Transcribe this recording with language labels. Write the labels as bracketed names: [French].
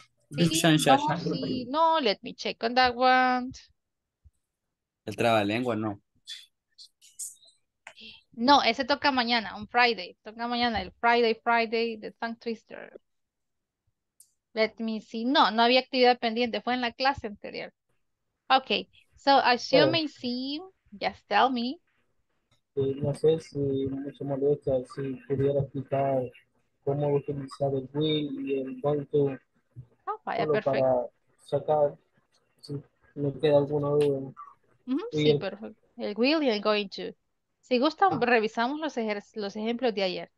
[English] No, let me check on that one. [Spanish] El trabalengua, no. No, ese toca mañana, un Friday. Toca mañana, el Friday, [English] the tongue twister. Let me see. [Spanish] No, no había actividad pendiente, fue en la clase anterior. [English] Okay, so as you may see, just tell me. [Spanish] No sé si mucho molesta, si pudiera explicar cómo utilizar el will y el going to. Oh, vaya, perfecto. Para sacar, si me queda alguna duda. Sí, perfecto. El will y el going to. Si gustan, revisamos los ejemplos de ayer.